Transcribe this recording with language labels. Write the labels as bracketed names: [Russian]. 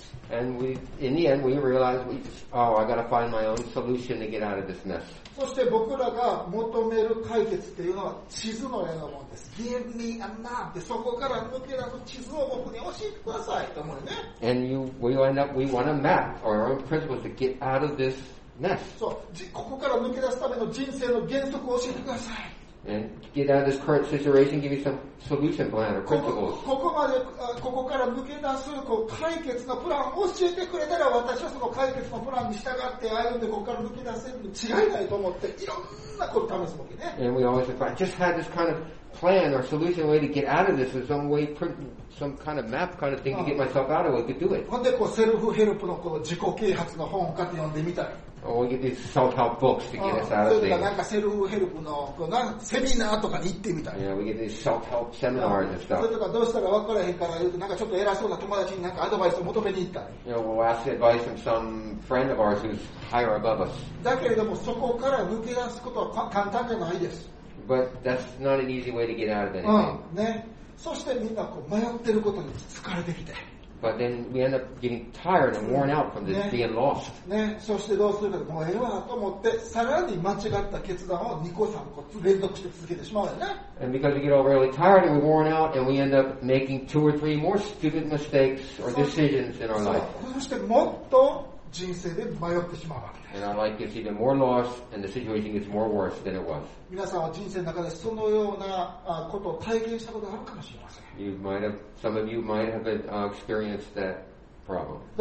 [English] And we, in the end, we realize, I gotta find my own solution to get out of this mess. [Japanese] そして僕らが求める解決っていうのは地図のようなものです。 [English] Give me a map. [Japanese] そこから抜け出す地図を僕に教えてくださいと思うね。 [English] And you, we end up, we want a map or our own principles to get out of this mess. [Japanese] そう、ここから抜け出すための人生の原則を教えてください。 [English] And get out of this current situation, give you some solution plan or principles. [Japanese] ここまで、ここから抜け出す、こう、解決のプランを教えてくれたら、私はその解決のプランに従って歩んで、ここから抜け出せるのに違いないと思って、いろんなことを試すわけね。 [English] And we always think, I just had this kind of plan or solution way to get out of this, some way, some kind of map kind of thing to get myself out of it, to do it. [Japanese] ほんで、こう、セルフヘルプのこの自己啓発の本を買って読んでみたり。 [English] Oh, we get these self-help books to get us out of things. [Japanese] なんかセルフヘルプのこうなセミナーとかに行ってみたい。 [English] Yeah, we get these self-help seminars and stuff. [Japanese] それとかどうしたら分からへんから言うとなんかちょっと偉そうな友達になんかアドバイスを求めに行った。 [English] You know, we'll ask advice from some friend of ours who's higher above us. [Japanese] だけれどもそこから抜け出すことは簡単じゃないです。 [English] But that's not an easy way to get out of anything. [Japanese] ね。そしてみんなこう迷ってることに疲れてきて。 [English] But then we end up getting tired and worn out from this being lost. [Japanese] ね、そしてどうするかもうええわと思ってさらに間違った決断を2個3個連続して続けてしまうよね。 [English] And because we get all really tired and we're worn out and we end up making two or three more stupid mistakes or decisions in our life. [Japanese] そしてもっと人生で迷ってしまうわけです。 [English] And our life gets even more lost and the situation gets more worse than it was. [Japanese] 皆さんは人生の中でそのようなことを体験したことがあるかもしれません。 [English] You might have, some of you might have experienced that problem.